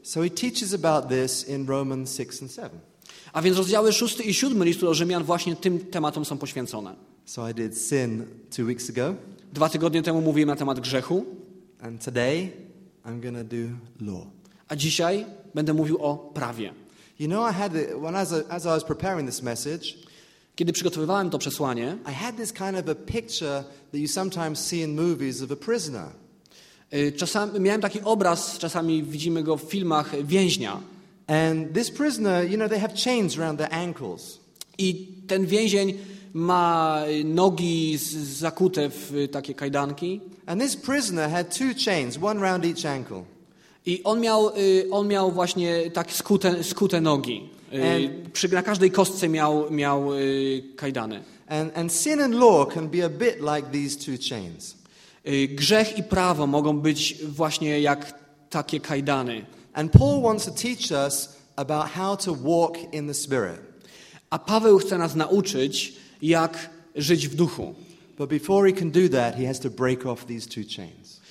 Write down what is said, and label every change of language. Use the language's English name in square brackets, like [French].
[English] So he teaches about this in Romans 6 and 7. [Polish] A więc rozdziały 6 i 7 Listu do Rzymian właśnie tym tematom są poświęcone. [English] So I did sin 2 weeks ago. [Polish] 2 tygodnie temu mówiłem na temat grzechu. [English] And today I'm gonna do law. [Polish] A dzisiaj będę mówił o prawie. [English] You know, I had as I was preparing this message, [Polish] kiedy przygotowywałem to przesłanie, [English] I had this kind of a picture that you sometimes see in movies of a prisoner. [Polish] Czasami miałem taki obraz, czasami widzimy go w filmach więźnia. [English] And this prisoner, you know, they have chains around their ankles. [Polish] I ten więzień ma nogi zakute w takie kajdanki. [English] And this prisoner had 2 chains, one round each ankle. [Polish] I on miał właśnie tak skute nogi. Na każdej kostce miał kajdany. [English] And sin and law can be a bit like these 2 chains. [Polish] Grzech i prawo mogą być właśnie jak takie kajdany. [English] And Paul wants to teach us about how to walk in the Spirit. [Polish] A Paweł chce nas nauczyć, jak żyć w duchu. [English] But before he can do that, he has to break off these 2 chains.